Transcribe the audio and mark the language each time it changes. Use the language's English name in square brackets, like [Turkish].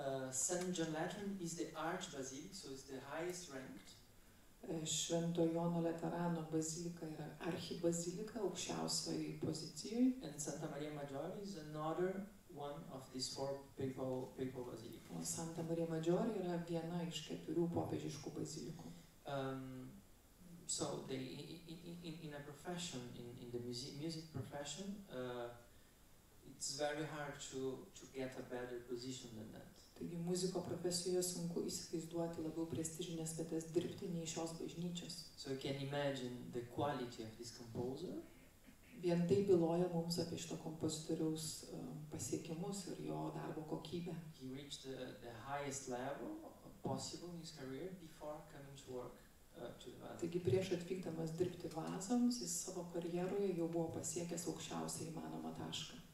[English] Saint John Lateran is the archbasilic, so it's the highest ranked. [Lithuanian] Švento Jono Laterano bazilika yra archibazilika aukščiausioje pozicijoje. [English] And Santa Maria Maggiore is another one of these four papal basilicas. [Lithuanian] O Santa Maria Maggiore yra viena iš keturių popiežiškų bazilikų. [English] So they in a profession in the music profession it's very hard to get a better position than that. [Lithuanian] Taigi muziko profesijoje sunku įsivaizduoti labiau prestižinės vietas dirbti nei šios bažnyčios. [English] So you can imagine the quality of this composer. [Lithuanian] Vien tai byloja mums apie šito kompozitoriaus pasiekimus ir jo darbo kokybę. [English] He reached the highest level possible in his career before coming to work to the Vatican. [Lithuanian] Taigi prieš atvykdamas dirbti vazoms, jis savo karjeroje jau buvo pasiekęs aukščiausią įmanomą tašką.